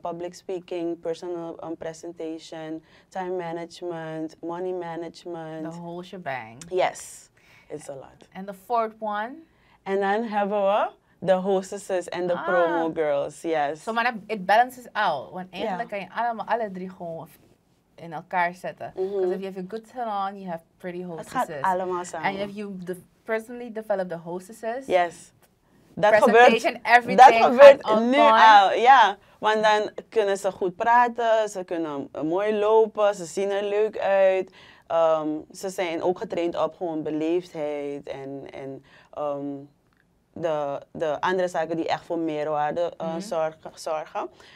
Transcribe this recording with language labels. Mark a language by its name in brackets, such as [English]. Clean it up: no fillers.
[English] Public speaking, personal presentation, time management, money management. The whole shebang. Yes, it's a lot. And the fourth one? [Dutch] En dan hebben we de hostesses en de promo girls, yes. [English] So man, it balances out. [Dutch] Want eigenlijk kan je allemaal alle drie gewoon in elkaar zetten. [English] Because if you have a good salon, you have pretty hostesses. [Dutch] Het gaat allemaal samen. [English] And if you personally develop the hostesses, yes, [Dutch] dat presentation, gebeurt, everything, dat gebeurt nu al. Ja, want dan kunnen ze goed praten, ze kunnen mooi lopen, ze zien er leuk uit. Ze zijn ook getraind op gewoon beleefdheid en de andere zaken die echt voor meerwaarde zorgen.